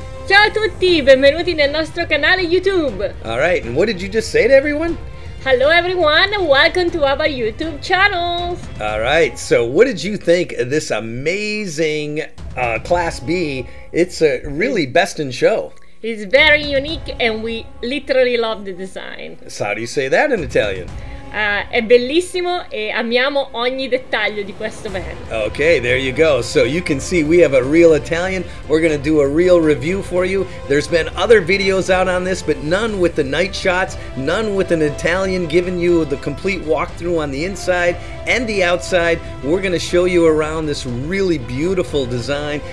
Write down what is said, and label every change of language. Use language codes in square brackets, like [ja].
[it] Ciao a tutti, benvenuti nel nostro canale YouTube. [en] All right, and what did you just say to everyone? Hello everyone, welcome to our YouTube channel. All right, so what did you think of this amazing Class B? It's a really best in show. It's very unique and we literally love the design. So how do you say that in Italian? [it] È bellissimo e amiamo ogni dettaglio di questo van. [en] Okay, there you go. So you can see we have a real Italian. We're going to do a real review for you. There's been other videos out on this, but none with the night shots, none with an Italian giving you the complete walkthrough on the inside and the outside. We're going to show you around this really beautiful design.